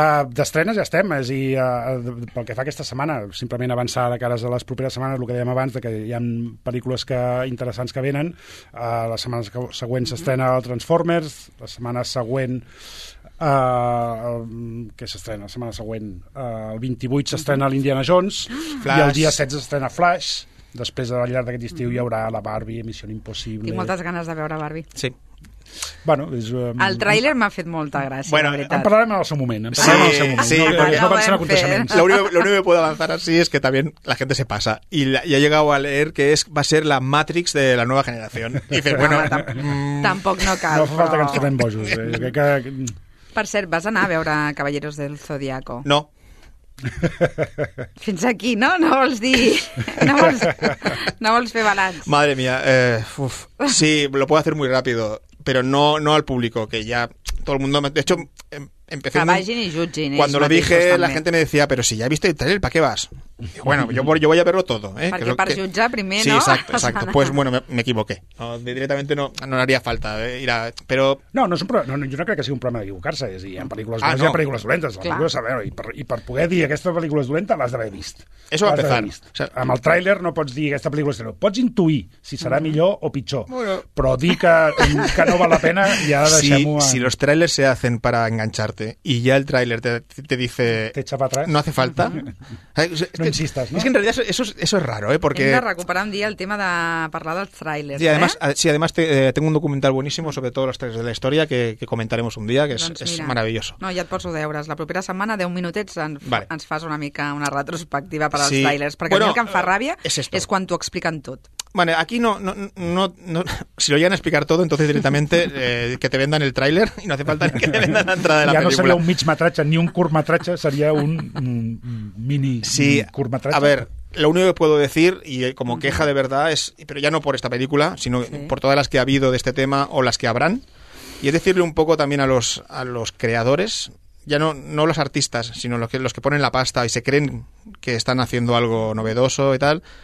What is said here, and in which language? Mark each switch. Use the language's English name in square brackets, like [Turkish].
[Catalan] D'estrenes ja estem, és a dir, pel que fa aquesta setmana, simplement avançar de cares a les properes setmanes, el que dèiem abans, que hi ha pel·lícules interessants que venen, la setmana següent s'estrena el Transformers, la setmana següent, què s'estrena? La setmana següent, el 28 s'estrena l'Indiana Jones, Flash. I el dia 16 s'estrena Flash, després al llarg d'aquest estiu hi haurà la Barbie, Missió Impossible... Tinc moltes ganes de veure Barbie. Sí. Bueno, el tràiler m'ha fet molta gràcia, bueno, la en parlarem en el seu moment, [Spanish] lo único que puedo avanzar así es que también la gente se pasa y he llegado a leer que va a ser la Matrix de la nueva generación y dices, bueno, [Catalan] tampoc no cal, no fa falta que ens tornem bojos, eh? que... Per cert, vas anar a veure Caballeros del Zodiaco? No. Fins aquí, no? No vols dir... No vols fer balanç. [Spanish] Madre mía, sí, lo puedo hacer muy rápido, pero no al público, que ya todo el mundo... De hecho, empecé... [Catalan] Que vagin y jutgin. [Spanish] Cuando lo dije, la gente me decía, pero si ya viste el trailer, ¿para qué vas? Y bueno, yo voy a verlo todo. Porque para [Catalan] jutjar [Spanish] primero, sí, exacto. Pues bueno, me equivoqué. No, directamente no haría falta ir a... Pero... No es un problema. No, yo no creo que sea un problema de equivocarse. Es decir, en películas buenas, no. [Catalan] Hi ha películas dolentes. [Spanish] Películas, a ver, [Catalan] y per poder dir aquesta película es dolenta, l'has d'haver vist. [Spanish] Eso va a empezar. [Catalan] Amb el tráiler no pots dir aquesta película es dolenta. Pots intuir si serà millor o pitjor. Bueno. Però dir que no val la pena, ja deixem-ho... [Spanish] Si los trailers se hacen para engancharte y ya el tráiler te dice... Te echa para atrás. No hace falta. No insistes, no? [Catalan] És que en realitat això és raro, perquè... Hem de recuperar un dia el tema de parlar dels tràilers, [Spanish] sí, además, sí, además tengo un documental buenísimo sobre todos los tres de la historia que comentaremos un día, que es, [Catalan] doncs mira, [Spanish] es maravilloso. [Catalan] No, ja et poso deures. La propera setmana, 10 minutets, ens fas una mica una retrospectiva per als trailers. Perquè bueno, a mi el que em fa ràbia és quan t'ho expliquen tot. [Spanish] Bueno, aquí no, si lo llegan a explicar todo, entonces directamente que te vendan el tráiler y no hace falta ni que te vendan la entrada de la película. Ya no sería un migmetratge ni un curtmetratge, sería un mini, sí, [Catalan] mini curtmetratge. [Spanish] A ver, lo único que puedo decir y como queja de verdad es, pero ya no por esta película, sino por todas las que ha habido de este tema o las que habrán, y es decirle un poco también a los creadores, ya no los artistas, sino los que ponen la pasta y se creen que están haciendo algo novedoso y tal.